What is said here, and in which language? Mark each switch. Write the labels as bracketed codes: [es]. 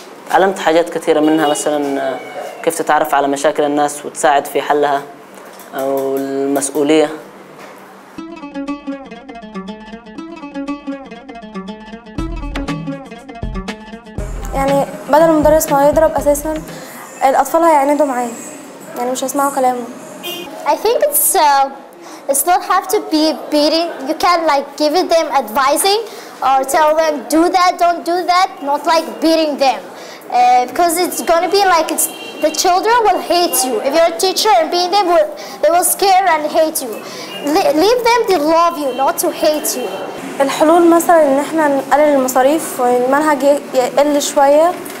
[ar] علمت حاجات كثيرة منها مثلاً كيف تتعرف على مشاكل الناس وتساعد في حلها أو المسؤولية. يعني بدل المدرس ما يضرب أساساً الأطفال هيعندوا معي يعني مش هسمعوا كلامه. [en] I think it's not have to be beating. You can like give them advising or tell them do that don't do that not like beating them. Because it's gonna be like it's the children will hate you if you're a teacher and being them will they will scare and hate you. Leave them to love you, not to hate you. [ar] الحلول مثلا إن إحنا نقلل المصاريف والمنهج يقل شوية.